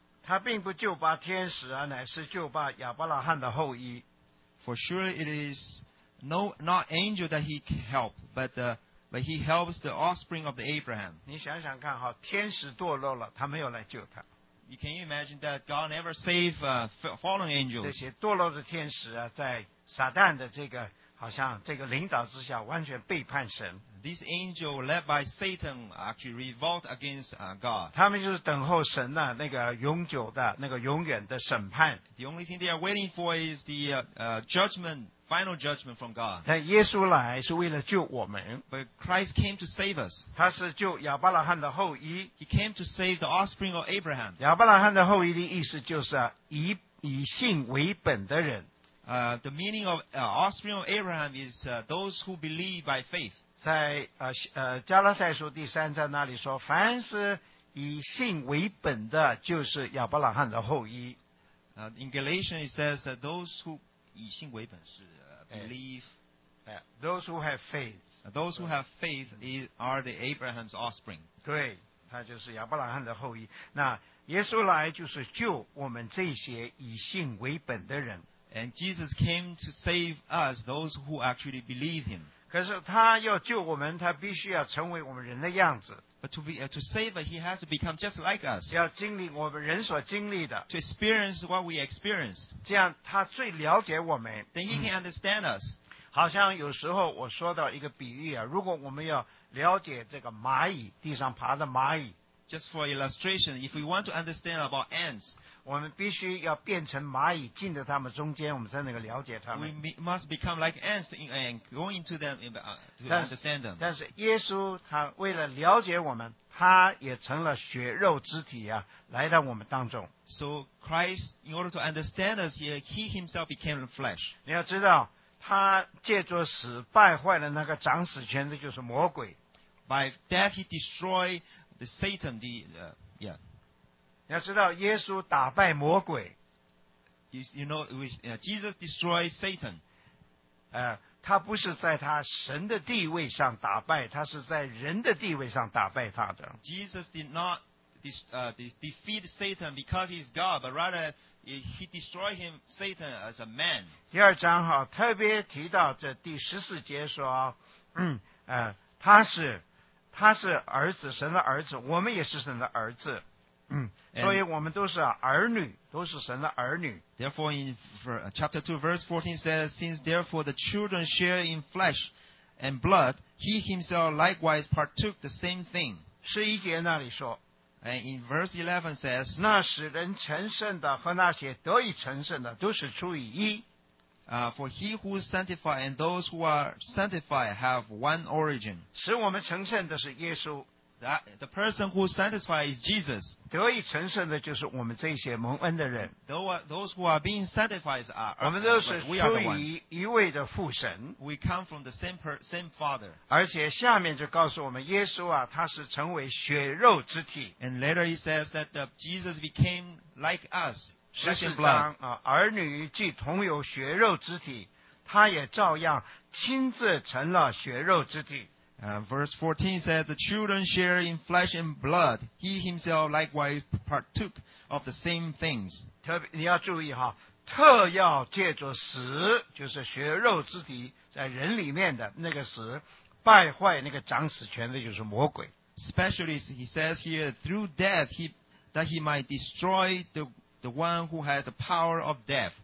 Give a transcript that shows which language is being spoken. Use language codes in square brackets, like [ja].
[zh] 他并不救拔天使啊，乃是救拔亚伯拉罕的后裔。 [en] For sure it is not angel that he helped, but he helps the offspring of the Abraham. [zh] 你想想看哈，天使堕落了，他没有来救他。 [en] You can imagine that God never saved fallen angels. [zh] 这些堕落的天使啊，在撒旦的这个好像这个领导之下，完全背叛神。 [en] This angel led by Satan actually revolt against God. [zh] 他们就是等候神呢、啊、那个永久的那个永远的审判。 [en] The only thing they are waiting for is the judgment, final judgment from God. [zh] 但耶稣来是为了救我们。 [en] But Christ came to save us. [zh] 他是救亚伯拉罕的后裔。 [en] He came to save the offspring of Abraham. [zh] 亚伯拉罕的后裔的意思就是、啊、以信为本的人。 [en] The meaning of offspring of Abraham is those who believe by faith. [zh] 在加拉太书第三章那里说，凡是以信为本的，就是亚伯拉罕的后裔。 [en] In Galatians it says that those who [zh] 以信为本是 [en] believe, those who have faith, those who have faith are the Abraham's offspring. [zh] 对，他就是亚伯拉罕的后裔。那耶稣来就是救我们这些以信为本的人。 [en] And Jesus came to save us, those who actually believe him. [zh] 可是他要救我们，他必须要成为我们人的样子。 [en] But to save us, he has to become just like us. [zh] 要经历我们人所经历的。 [en] To experience what we experienced. [zh] 这样他最了解我们。 [en] Then he can understand us. [zh] 好像有时候我说到一个比喻啊，如果我们要了解这个蚂蚁，地上爬的蚂蚁。 [en] Just for illustration, if we want to understand about ants, [zh] 我们必须要变成蚂蚁，进到它们中间，我们才能够了解它们。 [en] We must become like ants and go into them to understand them. [zh] 但是耶稣他为了了解我们，他也成了血肉之体啊，来到我们当中。 [en] So Christ, in order to understand us, he himself became flesh. [zh] 你要知道，他借着死败坏了那个掌死权的，就是魔鬼。 [en] By death, he destroyed. The Satan, the, yeah. [zh] 你要知道耶稣打败魔鬼。 [en] You know, Jesus destroyed Satan. [zh] 他不是在他神的地位上打败，他是在人的地位上打败他的。 [en] Jesus did not defeat Satan because he is God, but rather he destroyed him, Satan, as a man. [zh] 第二章哈，特别提到这第十四节说，他是。他是儿子，神的儿子，我们也是神的儿子，所以我们都是儿女，都是神的儿女。 [en] Therefore, in chapter 2, verse 14 says, Since therefore the children share in flesh and blood, he himself likewise partook the same thing. [zh] 十一节那里说 [en] And in verse 11 says, [zh] 那使人成圣的和那些得以成圣的都是出于一。 [en] For he who is sanctified and those who are sanctified have one origin. [zh] 使我们成圣的是耶稣。 [en] The person who is sanctified is Jesus. [zh] 得以成圣的就是我们这些蒙恩的人。 [en] Those who are being sanctified are we. [zh] 我们都是出于一位的父神。 [en] We come from the same Father. [zh] 而且下面就告诉我们耶稣啊，他是成为血肉之体。 [en] And later he says that Jesus became like us. [zh] 十四章啊，儿女既同有血肉之体，他也照样亲自成了血肉之体。 [en] Verse 14 says, "The children share in flesh and blood; he himself likewise partook of the same things." [zh] 特别你要注意哈，特要借着死，就是血肉之体在人里面的那个死，败坏那个掌死权的，就是魔鬼。 [en] Especially, he says here, through death, that he might destroy the one who has the power of death.